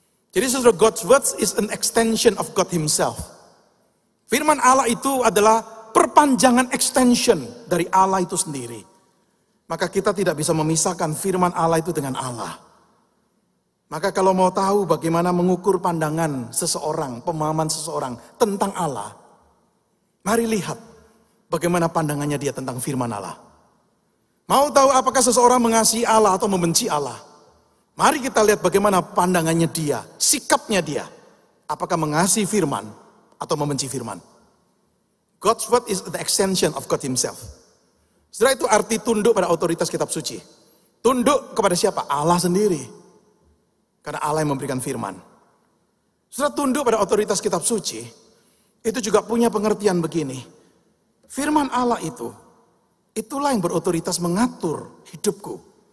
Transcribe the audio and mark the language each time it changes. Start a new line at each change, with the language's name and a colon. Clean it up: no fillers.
Indonesian: Jadi saudara,
English: God's words is an extension of God himself.
Indonesian: Firman Allah itu adalah perpanjangan extension dari Allah itu sendiri. Maka kita tidak bisa memisahkan firman Allah itu dengan Allah. Maka kalau mau tahu bagaimana mengukur pandangan seseorang, pemahaman seseorang tentang Allah, mari lihat bagaimana pandangannya dia tentang firman Allah. Mau tahu apakah seseorang mengasihi Allah atau membenci Allah? Mari kita lihat bagaimana pandangannya dia, sikapnya dia. Apakah mengasihi firman atau membenci firman?
English: God's word is the extension of God himself.
Indonesian: Setelah itu arti tunduk pada otoritas kitab suci. Tunduk kepada siapa? Allah sendiri. Karena Allah yang memberikan firman. Setelah tunduk pada otoritas kitab suci, itu juga punya pengertian begini. Firman Allah itu, itulah yang berotoritas mengatur hidupku.